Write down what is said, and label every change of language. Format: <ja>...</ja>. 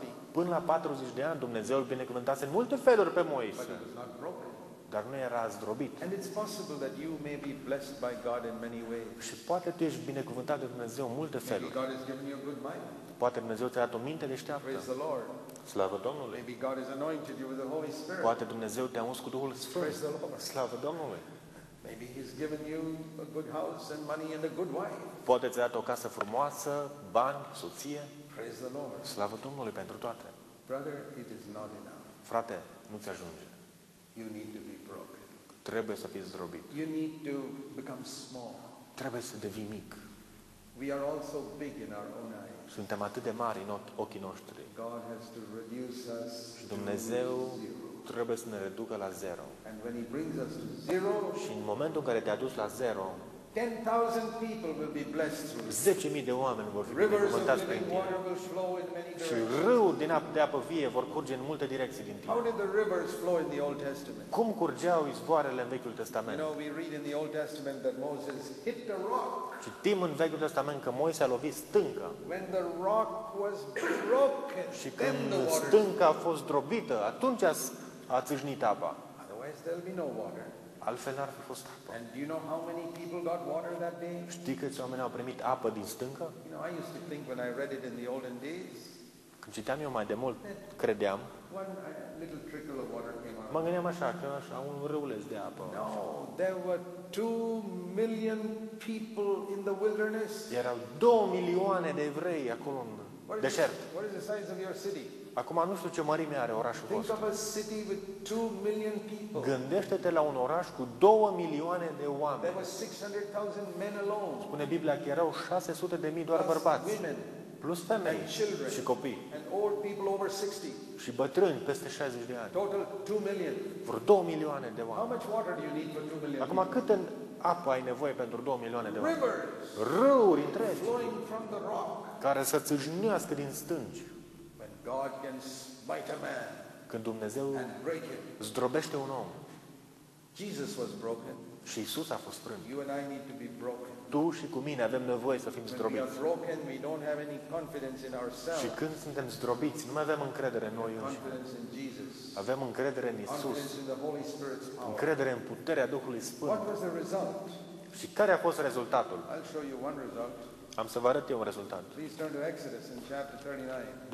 <ro>Până la 40 de ani, Dumnezeu îl binecuvântase în multe feluri pe Moise. Dar nu era zdrobit.</ro> <en>And it's possible that you may be blessed by God in many ways.</en> <ro>Și poate tu ești binecuvântat de Dumnezeu în multe feluri.</ro> <en>Maybe God has given you a good mind.</en> <ro>Poate Dumnezeu ți-a dat o minte deșteaptă.</ro> <en>Praise the Lord.</en> <ro>Slavă Domnului.</ro> <en>Maybe God has anointed you with the Holy Spirit.</en> <ro>Poate Dumnezeu te-a uns cu Duhul Sfânt.</ro> <en>Praise the Lord.</en> <ro>Slavă Domnului.</ro> <en>Maybe he's given you a good house and money and a good wife.</en> <ro>Poate ți-a dat o casă frumoasă, bani, soție.</ro> <en>Praise the Lord.</en> <ro>Slavă Domnului pentru toate.</ro> <en>Brother, it is not enough.</en> <ro>Frate, nu ți ajunge.</ro> <en>You need to be broken.</en> <ro>Trebuie să fii zdrobit.</ro> <en>You need to become small.</en> <ro>Trebuie să devii mic.</ro> <en>We are also big in our own eyes.</en> <ro>Suntem atât de mari în ochii noștri.</ro> <en>God has to reduce us.</en> <ro>Și Dumnezeu trebuie să ne reducă la zero.</ro> <en>And when he brings us to zero,</en> <ro>și în momentul în care te-a dus la zero,</ro> <en>10,000 people will be blessed through you.</en> <ro>10,000 de oameni vor fi binecuvântați prin tine. Și râul din apă de apă vie vor curge în multe direcții din tine.</ro> <en>How did the rivers flow in the Old Testament?</en> <ro>Cum curgeau izvoarele în Vechiul Testament?</ro> <en>You know, we read in the Old Testament that Moses hit the rock.</en> <ro>Citim în Vechiul Testament că Moise a lovit stâncă.</ro> <en>When the rock was broken,</en> <ro>și când stânca a fost zdrobită, atunci a țâșnit apa.</ro> <en>Otherwise there'll be no water.</en> <ro>Altfel n-ar fi fost apă.</ro> <en>And do you know how many people got water that day?</en> <ro>Știi câți oameni au primit apă din stâncă?</ro> <en>You know, I used to think when I read it in the olden days.</en> <ro>Când citeam eu mai de mult, credeam.</ro> <en>One little trickle of water came out.</en> <ro>Mă gândeam așa, că așa un râuleț de apă.</ro> <en>No, there were 2 million people in the wilderness.</en> <ro>Erau 2 milioane de evrei acolo în deșert.</ro> <en>What is the size of your city?</en> <ro>Acum nu știu ce mărime are orașul vostru.</ro> <en>Think of a city with 2 million people.</en> <ro>Gândește-te la un oraș cu 2 milioane de oameni.</ro> <en>There were 600,000 men alone.</en> <ro>Spune Biblia că erau 600,000 doar bărbați.</ro> <en>Women,</en> <ro>plus femei</ro> <en>and children,</en> <ro>și copii.</ro> <en>And old people over 60.</en> <ro>Și bătrâni peste 60 de ani.</ro> <en>Total 2 million.</en> <ro>Vreo 2 milioane de oameni.</ro> <en>How much water do you need for 2 million?</en> <ro>Acum cât în apă ai nevoie pentru 2 milioane de oameni?</ro> <en>Rivers.</en> <ro>Râuri întregi.</ro> <en>Flowing from the rock.</en> <ro>Care să țâșnească din stânci.</ro> <en>God can smite a man.</en> <ro>Când Dumnezeu zdrobește un om.</ro> <en>Jesus was broken.</en> <ro>Și Isus a fost frânt.</ro> <en>You and I need to be broken.</en> <ro>Tu și cu mine avem nevoie să fim zdrobiți.</ro> <en>When we are broken, we don't have any confidence in ourselves.</en> <ro>Și când suntem zdrobiți, nu mai avem încredere în noi înșine.</ro> <en>Confidence in Jesus.</en> <ro>Avem încredere în Isus.</ro> <en>Confidence in the Holy Spirit's power.</en> <ro>Încredere în puterea Duhului Sfânt.</ro> <en>What was the result?</en> <ro>Și care a fost rezultatul?</ro> <en>I'll show you one result.</en> <ro>Am să vă arăt eu un rezultat.</ro> <en>Please turn to Exodus in chapter 39.</en>